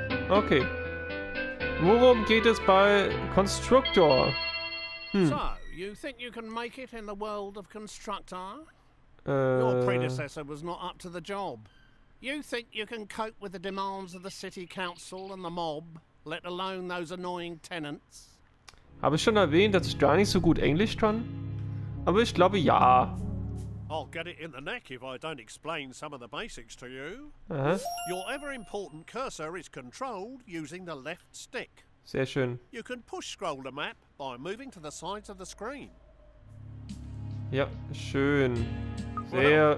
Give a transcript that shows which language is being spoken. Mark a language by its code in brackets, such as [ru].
[de] Okay. Worum geht es bei Constructor? [en] So, you think you can make it in the world of Constructor? Your predecessor was not up to the job. You think you can cope with the demands of the city council and the mob, let alone those annoying tenants? [de] Habe ich schon erwähnt, dass ich gar nicht so gut Englisch kann? Aber ich glaube, ja. [en] I'll get it in the neck if I don't explain some of the basics to you. Your ever-important cursor is controlled using the left stick. [de] Sehr schön. [en] You can push-scroll the map by moving to the sides of the screen. [de] Ja, schön. Sehr.